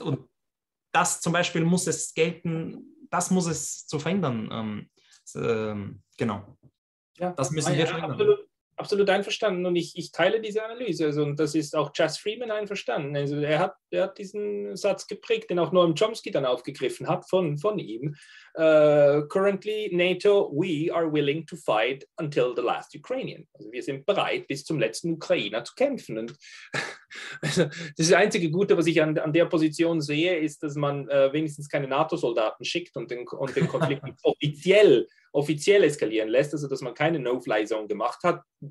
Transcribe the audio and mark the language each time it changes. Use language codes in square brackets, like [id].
[de] Und das zum Beispiel muss es gelten, das muss es zu verhindern. Genau. Ja. Das müssen wir verhindern. Absolut einverstanden. Und ich teile diese Analyse. Also, und das ist auch Jess Freeman einverstanden. Also er hat diesen Satz geprägt, den auch Noam Chomsky dann aufgegriffen hat von ihm. [en] Currently NATO, we are willing to fight until the last Ukrainian. [de] Also wir sind bereit, bis zum letzten Ukrainer zu kämpfen. Und das einzige Gute, was ich an der Position sehe, ist, dass man wenigstens keine NATO-Soldaten schickt und den Konflikt offiziell eskalieren lässt, also dass man keine No-Fly-Zone gemacht hat.